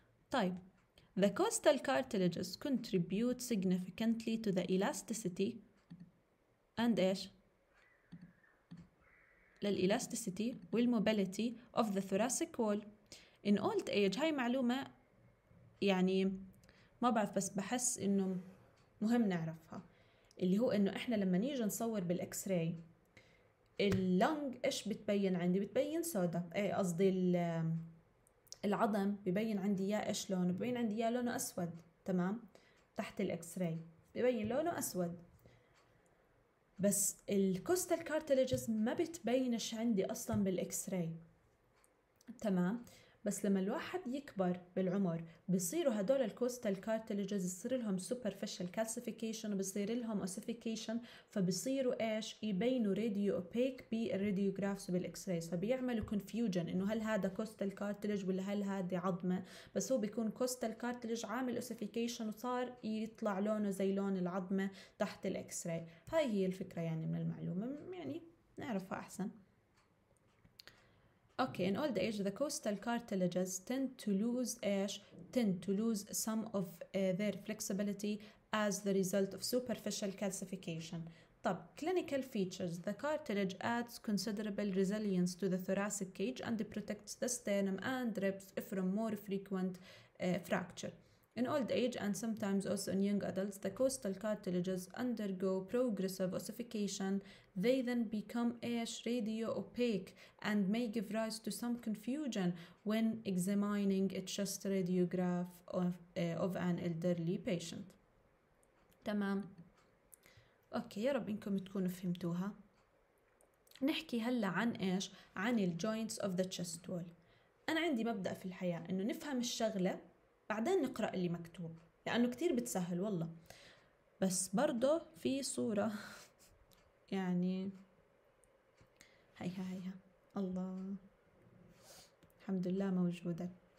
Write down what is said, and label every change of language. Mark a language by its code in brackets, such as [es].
[en] طيب the costal cartilages contribute significantly to the elasticity and [ar] ايش؟ للإلاستيسيتي والموبيليتي [en] of the thoracic wall in old age. [ar] هاي معلومة يعني ما بعرف، بس بحس إنه مهم نعرفها، اللي هو إنه إحنا لما نيجي نصور بالإكس راي اللنج إيش بتبين عندي؟ بتبين سودا، قصدي العظم ببين عندي يا إيش لونه؟ ببين عندي يا لونه أسود، تمام؟ تحت الإكس راي ببين لونه أسود. بس الكوستال كارتلجز ما بتبينش عندي اصلا بالاكس راي، تمام؟ بس لما الواحد يكبر بالعمر بيصيروا هدول الكوستال كارتلجز يصير لهم سوبرفيشال كالسيفيكيشن وبصير لهم اوسيفيكيشن، فبصيروا ايش يبينوا راديو اوبيك بالراديوغرافس بالاكس راي، فبيعملوا كونفيوجن انه هل هذا كوستال كارتلج ولا هل هذه عظمه، بس هو بيكون كوستال كارتلج عامل اوسيفيكيشن وصار يطلع لونه زي لون العظمه تحت الاكس راي. هاي هي الفكره يعني من المعلومه، يعني نعرفها احسن. [en] Okay, in old age, the coastal cartilages tend to lose ash, tend to lose some of their flexibility as the result of superficial calcification. طب, clinical features. The cartilage adds considerable resilience to the thoracic cage and protects the sternum and ribs from more frequent fracture. In old age and sometimes also in young adults, the coastal cartilages undergo progressive ossification. They then become ash radio opaque and may give rise to some confusion when examining a chest radiograph of an elderly patient. [ar] تمام. أوكي يا رب إنكم تكونوا فهمتوها. نحكي هلا عن إيش؟ عن ال [en] joints of the chest wall. [ar] أنا عندي مبدأ في الحياة إنه نفهم الشغلة بعدين نقرأ اللي مكتوب، لأنه كتير بتسهل والله. بس برضو في صورة يعني هيها هيها الله الحمد لله موجودة.